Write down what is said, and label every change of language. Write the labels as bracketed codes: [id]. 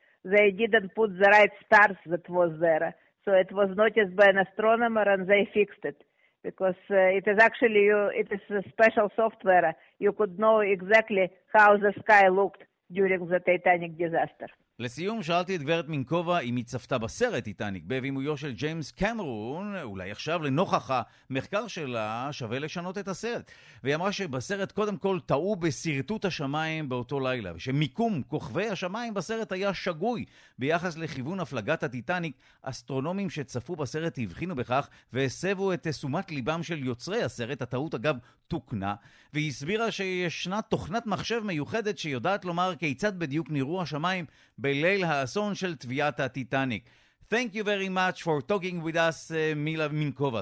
[en] They didn't put the right stars that was there. So it was noticed by an astronomer and they fixed it. Because it is a special software. You could know exactly how the sky looked during the Titanic disaster. [he] לסיום, שאלתי את גברת מינקובה אם היא צפתה בסרט טיטניק בבימויו של ג'יימס קמרון, אולי עכשיו לנוכח המחקר שלה שווה לשנות את הסרט. והיא אמרה שבסרט קודם כל טעו בסרטוט השמיים באותו לילה, ושמיקום כוכבי השמיים בסרט היה שגוי ביחס לכיוון הפלגת הטיטניק. אסטרונומים שצפו בסרט הבחינו בכך והסבו את תשומת ליבם של יוצרי הסרט. הטעות אגב תוקנה, והיא הסבירה שישנה תוכנת מחשב מיוחדת שיודעת לומר כיצד בדיוק נראו השמיים בליל האסון של טביעת הטיטניק. [en] Thank you very much for talking with us, מילה מינקובה.